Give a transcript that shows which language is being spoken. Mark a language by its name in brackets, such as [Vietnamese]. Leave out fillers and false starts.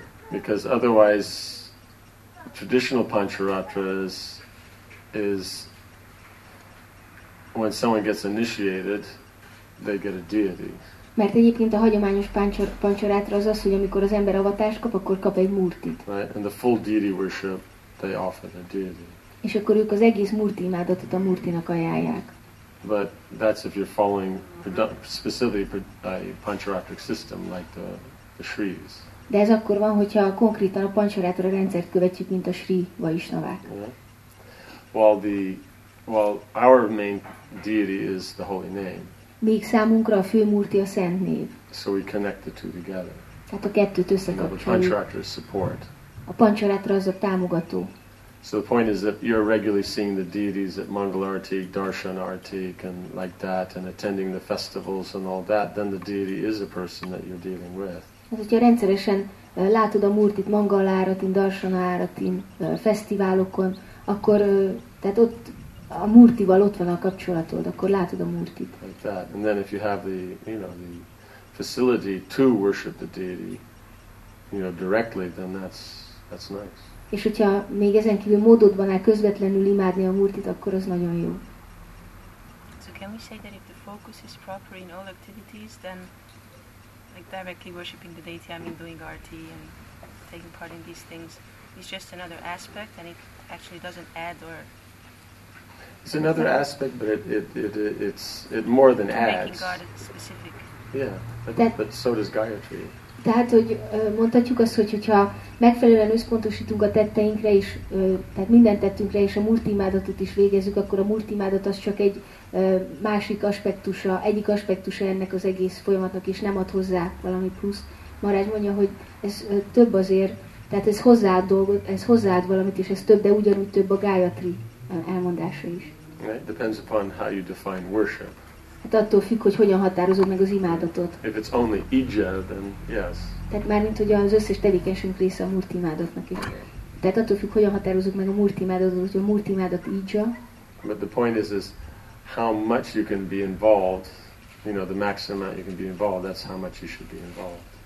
[English] Because otherwise, traditional Pancharatra is when someone gets initiated, they get a deity. [Hungarian] Mert egyébként a hagyományos pancsorátra az, hogy amikor az ember avatást kap, akkor kap egy murtit. [English] Right? And the full deity worship, they offer the deity. [Hungarian] És akkor ők az egész murti imádatot a murtinak ajánlják. [English] But that's if you're following specifically a pancharatric system like the Shris. [Hungarian] De ez akkor van, hogyha konkrétan a pancsorátra rendszert követjük, mint a Sri Vaishnavák. [English] Yeah. While our main deity is the holy name. [Hungarian] Még számunkra a fő murti a szent név. [English] So we connect the two together. [Hungarian] Tehát a kettőt összekapcsoljuk. [English] The Pancharatra is support. [Hungarian] A Pancharatra az a támogató. [English] So the point is that you're regularly seeing the deities at Mangalarti, Darshanarti, and like that, and attending the festivals and all that, then the deity is a person that you're dealing with. [Hungarian] Hát, hogyha rendszeresen látod a murtit Mangalaratin, Darshanaratin, fesztiválokon, akkor tehát ott a murtival ott van a kapcsolatod, akkor látod a murtit. [English] Like that. And then if you have the, you know, the facility to worship the deity, you know, directly, then that's nice. És hogyha még ezen kívül módod van el közvetlenül imádni a murtit, akkor az nagyon jó. So can we say that if the focus is proper in all activities, then like directly worshiping the deity, I mean doing arti and taking part in these things, is just another aspect and it actually doesn't add or... It's another aspect, but it's more than adds. Making God specific. But so does Gayatri. [Hungarian] Tehát, hogy mondhatjuk azt, hogy ha megfelelően összpontosítunk a tetteinkre is, tehát minden tettünkre és a múlt imádatot is végezzük, akkor a múlt imádat az csak egy másik aspektusa, egyik aspektusa ennek az egész folyamatnak, és nem ad hozzá valami plusz. Marágy mondja, hogy ez több azért, tehát ez hozzáad dolgot, ez hozzáad valamit, és ez több, de ugyanúgy több a Gayatri elmondása is. [English] It depends upon how you define worship. [Hungarian] Hát attól függ, hogy hogyan határozod meg az imádatot. [English] If it's only ija, then yes. [Hungarian] Tehát már mint ugye az összes tevékenységünk része a múlt imádatnak is. Tehát attól függ, hogyan határozod meg a múlt imádatot, hogy a múlt imádat ija. [English] But the point is how much you can be involved, you know, the maximum amount you can be involved, that's how much you should be involved.